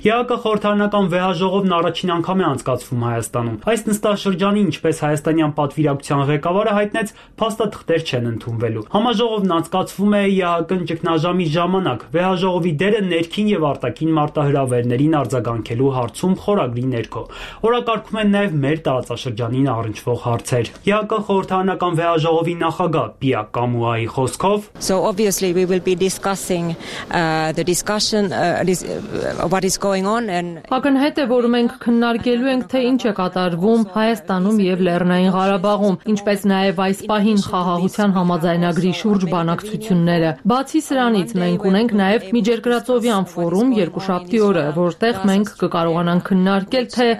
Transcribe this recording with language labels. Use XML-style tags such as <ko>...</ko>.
<hy>ԵԱԿ խորհրդարանական վեհաժողովն առաջին անգամ է անցկացվում Հայաստանում։ Այս նստաշրջանի, ինչպես հայաստանյան պատվիրակության ղեկավարը հայտնեց, փաստաթղթեր չեն ընդունվելու։ Համաժողովն անցկացվում է ԵԱԿ-ն ճգնաժամ միջոցառումի ժամանակ վեհաժողովի դերը ներքին եւ արտաքին մարտահրավերներին արձագանքելու հարցում խորագրի ներքո։ Օրակարգում են նաեւ մեր տարածաշրջանին առնչվող հարցեր։ ԵԱԿ-ի խորհրդանական վեհաժողովի նախագահ Պիա Կամուայի խոսքով.</hy> <en>So obviously we will be discussing the discussion what is going on and</en> <hy>Ակնհայտ է, որ մենք քննարկելու ենք, թե ինչ է կատարվում Հայաստանում եւ Լեռնային Ղարաբաղում, ինչպես նաեւ այս պահին խաղաղության համաձայնագրի շուրջ բանակցությունները։ Բացի սրանից, մենք ունենք նաև միջերկրածովյան ֆորում երկու շաբթի օրը, որտեղ մենք կկարողանանք քննարկել, թե</hy>